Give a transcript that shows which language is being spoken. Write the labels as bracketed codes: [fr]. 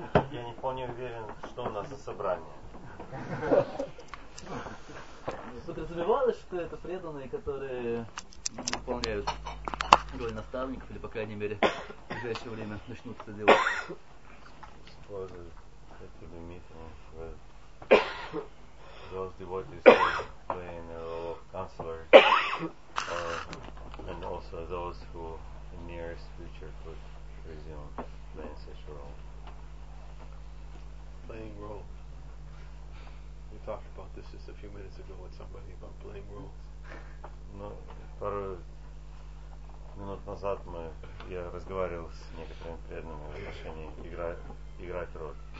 [ru] Я не вполне уверен, что у нас за собрание. Подразумевалось, что это преданные, которые выполняют роль наставников, или, по крайней мере, в ближайшее время начнут это делать. Используют эти лимиты, [en] those devotees who play in the role of counselor, and also those who in the nearest future could resume playing such a role. Playing role. We talked about this just a few minutes ago with somebody about playing roles. [ru] Ну, пару минут назад я разговаривал с некоторыми преданными в отношении играть роль.